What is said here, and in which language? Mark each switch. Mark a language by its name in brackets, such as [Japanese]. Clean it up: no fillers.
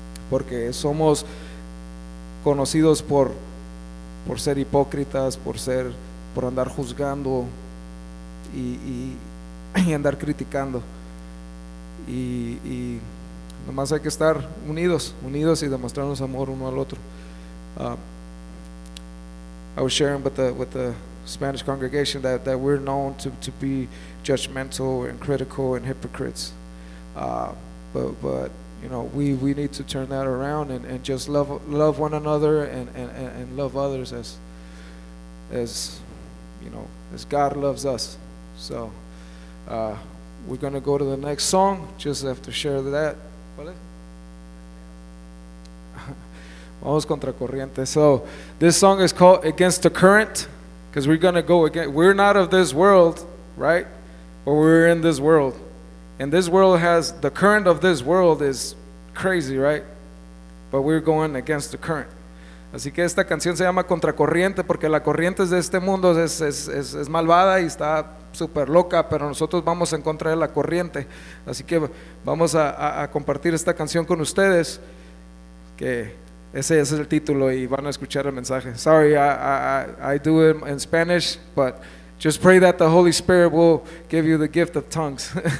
[Spanish] Porque somos conocidos por ser hipócritas, por andar juzgando y andar criticando. Y nomás hay que estar unidos y demostrarnos amor uno al otro. [English] I was sharing with the Spanish congregation that we're known to be judgmental and critical and hypocrites, but you know, we need to turn that around and just love one another and love others as you know, as God loves us. So we're gonna go to the next song. Just have to share that. ¿Vale? [Spanish] Vamos contra corriente. [English] So this song is called Against the Current, because we're gonna go again. We're not of this world, right? But we're in this world, and this world has the current of this world is crazy, right? But we're going against the current. [Spanish] Así que esta canción se llama Contracorriente, porque la corriente de este mundo es malvada y está súper loca, pero nosotros vamos en contra de la corriente. Así que vamos a compartir esta canción con ustedes, que ese es el título, y van a escuchar el mensaje. [English] Sorry, I do it in Spanish, but just pray that the Holy Spirit will give you the gift of tongues.